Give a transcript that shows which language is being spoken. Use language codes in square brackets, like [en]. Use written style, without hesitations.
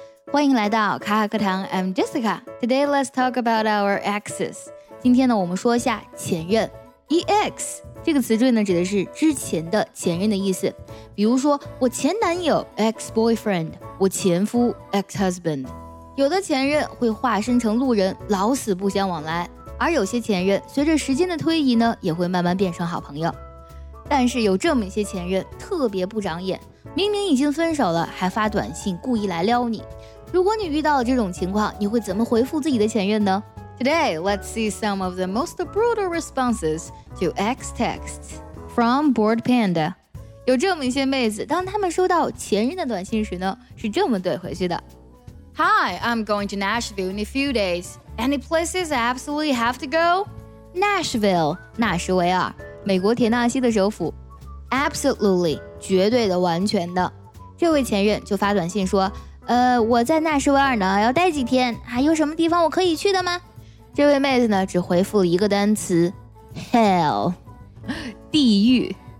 [zh] 欢迎来到卡卡课堂 [en] I'm Jessica. Today let's talk about our exes. [zh] 今天呢我们说一下前任 EX 这个词缀呢指的是之前的前任的意思，比如说我前男友 ex-boyfriend， 我前夫 ex-husband。有的前任会化身成路人，老死不相往来，而有些前任随着时间的推移呢，也会慢慢变成好朋友。但是有这么一些前任特别不长眼，明明已经分手了还发短信故意来撩你。如果你遇到了这种情况，你会怎么回复自己的前任呢？ [en] Today, let's see some of the most brutal responses to ex texts from Bored Panda. [zh] 有这么一些妹子，当她们收到前任的短信时呢，是这么怼回去的。 [en] Hi, I'm going to Nashville in a few days. Any places I absolutely have to go? [zh] Nashville, 纳什维尔，美国田纳西的首府。 Absolutely, 绝对的，完全的。这位前任就发短信说，我在纳什维尔呢，要待几天，还有什么地方我可以去的吗？这位妹子呢，只回复了一个单词 ，hell， 地狱。